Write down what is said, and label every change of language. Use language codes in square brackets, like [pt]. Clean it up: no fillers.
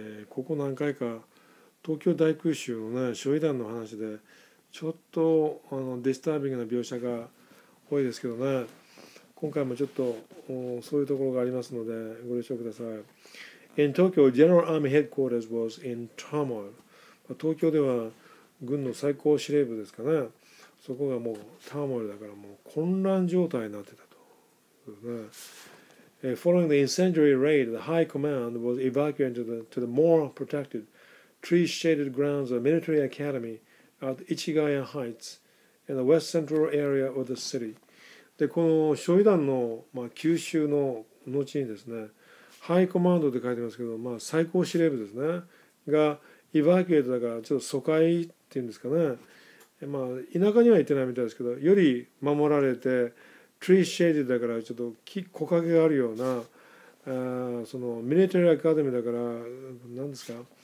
[ja] ここ何回か東京大空襲のね、焼夷弾の話でちょっとディスタービングな描写が多いですけどね、今回もちょっとそういうところがありますのでご了承ください。 [en] In Tokyo, General Army Headquarters was in turmoil. [ja] 東京では軍の最高司令部ですかね、そこがもうターモイルだからもう混乱状態になってたと、ね。 [en] Following the incendiary raid, the high command was evacuated to the more protected tree shaded grounds of the military academy at Ichigaya Heights in the west central area of the city. [ja] で、この焼夷弾の、まあ、急襲の後にですね、ハイコマンドって書いてますけど、まあ、最高司令部ですね、がエヴァーケートだからちょっと疎開っていうんですかね、まあ、田舎には行ってないみたいですけど、より守られて、トリーシェイディだからちょっと木陰があるような、そのミリタリーアカデミーだから、何ですか、